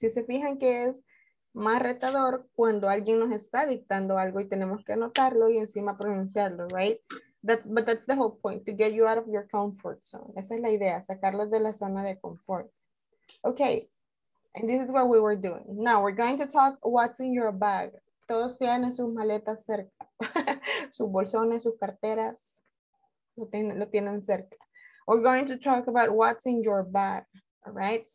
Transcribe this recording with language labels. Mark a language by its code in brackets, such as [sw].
[es] Si se fijan que es más retador cuando alguien nos está dictando algo y tenemos que anotarlo y encima pronunciarlo, right? [en] But that's the whole point, to get you out of your comfort zone. [es] Esa es la idea, sacarlos de la zona de confort. [en] Okay, and this is what we were doing. Now we're going to talk what's in your bag. [es] Todos tienen sus maletas cerca, sus bolsones, sus carteras, lo tienen cerca. [en] We're going to talk about what's in your bag, all right?